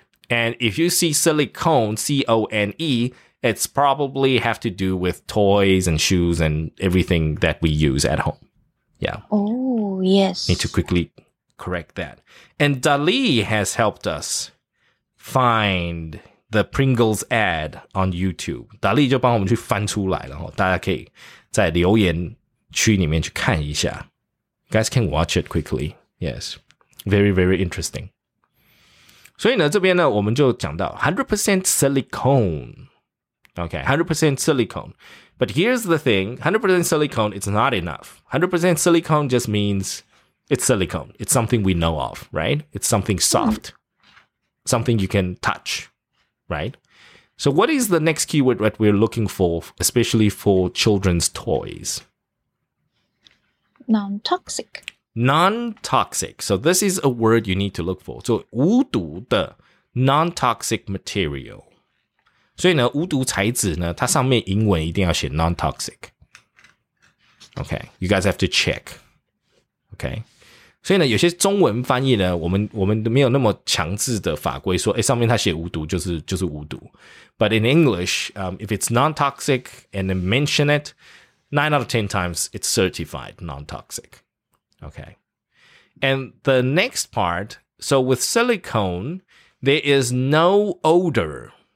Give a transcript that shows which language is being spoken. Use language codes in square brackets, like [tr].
[en] And if you see silicone, C-O-N-E, it's probably have to do with toys and shoes and everything that we use at home. Yeah. Oh, yes. Need to quickly correct that. And Dali has helped us find the Pringles ad on YouTube. [zh] Dali 就帮我们去翻出来了，大家可以在留言区里面去看一下。 [en] You guys can watch it quickly. Yes. Very, very interesting. [zh] 所以呢，这边呢，我们就讲到 100% silicone. [en] Okay, 100% silicone. But here's the thing, 100% silicone, it's not enough. 100% silicone just means it's silicone. It's something we know of, right? It's something soft. Something you can touch, right? So what is the next keyword that we're looking for, especially for children's toys? Non-toxic. Non-toxic. So this is a word you need to look for. So [zh] 无毒的 [en] non-toxic material. [zh] 所以呢无毒材质呢它上面英文一定要写 non-toxic. [en] Okay, you guys have to check. Okay. [zh] 所以呢有些中文翻译呢我们没有那么强制的法规说诶上面它写无毒就是无毒。 [en] But in English, if it's non-toxic and they mention it, 9 out of 10 times it's certified non-toxic. Okay. And the next part, so with silicone, there is no odor.